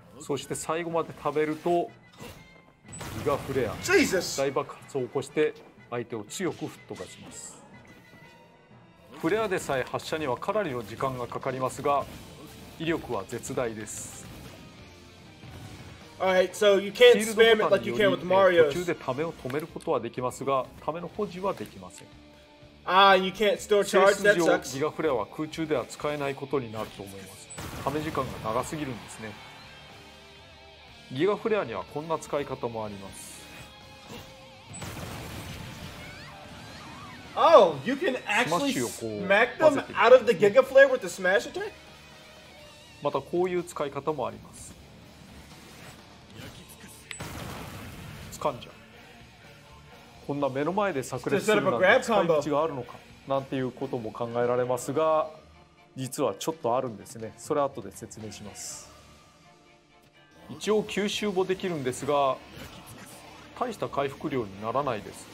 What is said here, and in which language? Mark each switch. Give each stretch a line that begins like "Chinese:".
Japanese: そして最後まで貯めるとギガフレア、大爆発を起こして相手を強く吹っ飛ばします。フレアでさえ発射にはかなりの時間がかかりますが威力は絶大です。
English: Alright, so you can't spam it like you can with Mario.
Japanese: 途中でためを止めることはできますが、ための保持はできません。
English: Ah, you can't store charge. That sucks.
Japanese: 性質上、ギガフレアは空中では使えないことになると思います。ため時間が長すぎるんですね。ギガフレアにはこんな使い方もあります。
English: Oh, you can actually smack them out of the Giga Flare with the Smash Attack?
Japanese: またこういう使い方もあります。噛んじゃう。こんな目の前で炸裂するなんて使い道があるのか。なんていうことも考えられますが、実はちょっとあるんですね。それは後で説明します。一応吸収もできるんですが、大した回復量にならないです。